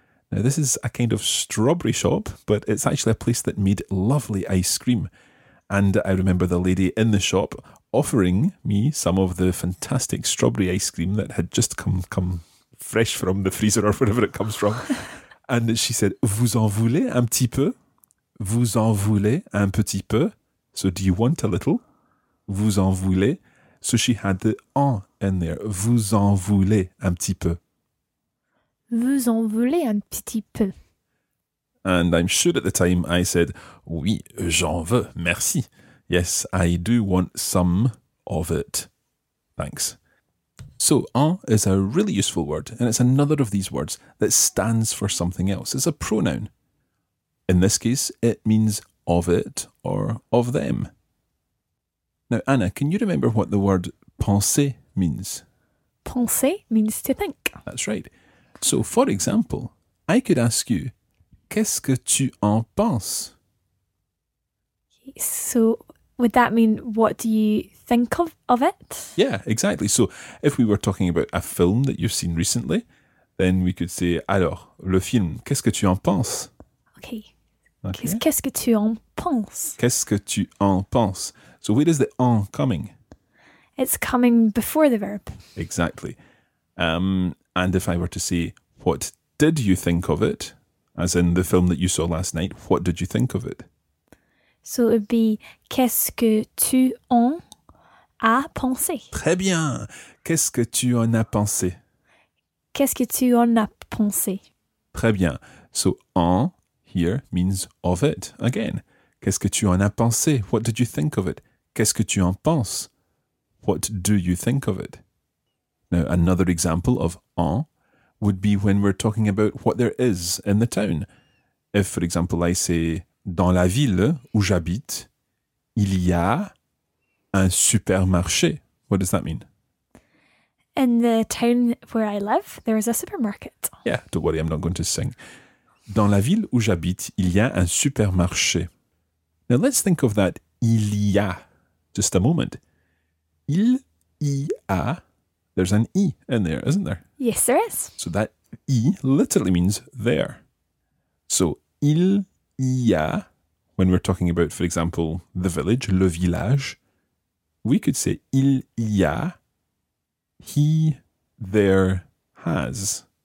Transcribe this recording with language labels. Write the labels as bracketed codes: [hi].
[en] Now, this is a kind of strawberry shop, but it's actually a place that made lovely ice cream. And I remember the lady in the shop offering me some of the fantastic strawberry ice cream that had just come fresh from the freezer or wherever it comes from. And she said, [fr] vous en voulez un petit peu? Vous en voulez un petit peu? [en] So do you want a little? [fr] Vous en voulez? [en] So she had the en in there. [fr] Vous en voulez un petit peu? Vous en voulez un petit peu? [en] And I'm sure at the time I said, [fr] oui, j'en veux, merci. [en] Yes, I do want some of it. Thanks. So, en is a really useful word, and it's another of these words that stands for something else. It's a pronoun. In this case, it means of it or of them. Now, Anna, can you remember what the word penser means? Penser means to think. That's right. So, for example, I could ask you, [fr] qu'est-ce que tu en penses? [en] So would that mean what do you think of it? Yeah, exactly. So if we were talking about a film that you've seen recently, then we could say, [fr] alors, le film, qu'est-ce que tu en penses? [en] Okay. [fr] Qu'est-ce que tu en penses? Qu'est-ce que tu en penses? [en] So where is the en coming? It's coming before the verb. Exactly. And if I were to say, what did you think of it? As in the film that you saw last night, what did you think of it? So it would be, [fr] qu'est-ce que tu en as pensé? Très bien. Qu'est-ce que tu en as pensé? Qu'est-ce que tu en as pensé? Très bien. [en] So en here means of it. Again, [fr] qu'est-ce que tu en as pensé? [en] What did you think of it? [fr] Qu'est-ce que tu en penses? [en] What do you think of it? Now, another example of en would be when we're talking about what there is in the town. If, for example, I say, [fr] dans la ville où j'habite, il y a un supermarché. [en] What does that mean? In the town where I live, there is a supermarket. Yeah, don't worry, I'm not going to sing. [fr] Dans la ville où j'habite, il y a un supermarché. [en] Now, let's think of that [fr] il y a, [en] just a moment. [fr] Il y a, [en] there's an I in there, isn't there? Yes, there is. So that I literally means there. So [fr] il y a, [en] when we're talking about, for example, the village, [fr] le village, [en] we could say il y a, he there has.